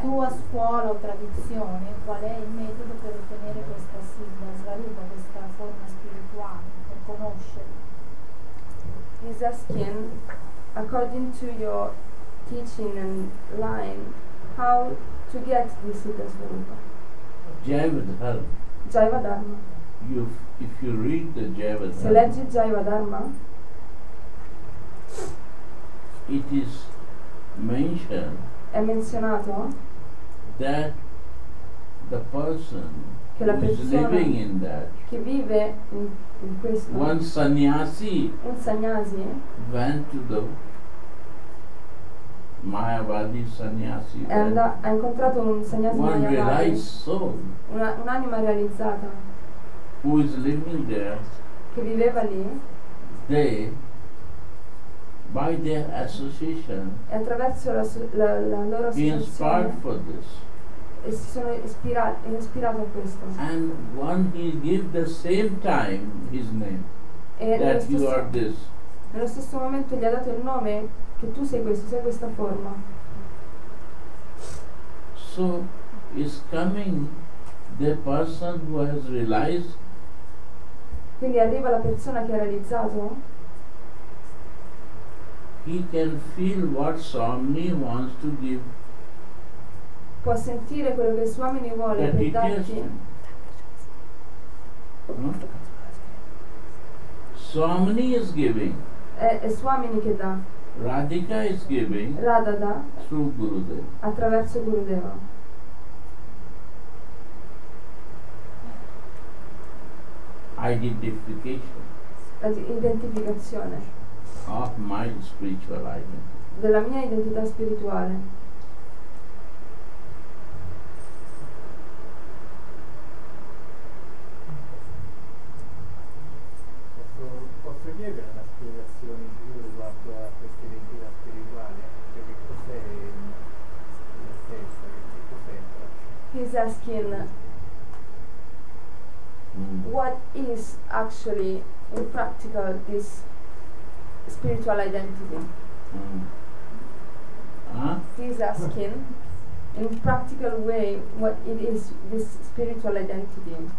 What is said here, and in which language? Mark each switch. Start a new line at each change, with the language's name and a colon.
Italian: tua scuola o tradizione, qual è il metodo per ottenere questa Siddha Svarupa, questa forma spirituale, per conoscere?
English: He's asking, according to your teaching and line, how to get this Siddha Svarupa? Jaiva Dharma. Jaiva Dharma. If you read the Jaiva Dharma.
Italian: Se leggi Jaiva Dharma,
English: it is mentioned.
Italian: È menzionato
English: that the person
Italian: che la
English: who is living in that
Italian: che vive in questo
English: one sannyasi
Italian: un sannyasi
English: went to the Mayavadi sannyasi
Italian: and ha incontrato un sannyasi
English: one Mayavadi, realized soul
Italian: un'anima realizzata
English: who is living there
Italian: che viveva lì
English: they by their association
Italian: e attraverso la loro associazione e si sono ispirato a questo
English: and one he give the same time his name that you are this
Italian: nello stesso momento gli ha dato il nome che tu sei questo, sei questa forma
English: so is coming the person who has realized
Italian: quindi arriva la persona che ha realizzato.
English: He can feel what Swami wants to give.
Italian: Può sentire quello che Swami vuole per darti.
English: Swami is giving.
Italian: È Swami che dà.
English: Radhika is giving.
Italian: Radha dà.
English: Through Gurudev.
Italian: Attraverso Gurudev.
English: Identification.
Italian: Identificazione.
English: Of my spiritual identity.
Italian: Della mia identità spirituale. Posso chiedere una spiegazione in più riguardo a questa identità spirituale? Cioè che cos'è la stessa? Che cos'è?
English: He's asking what is actually in practical this spiritual identity. He's asking in a practical way what it is this spiritual identity.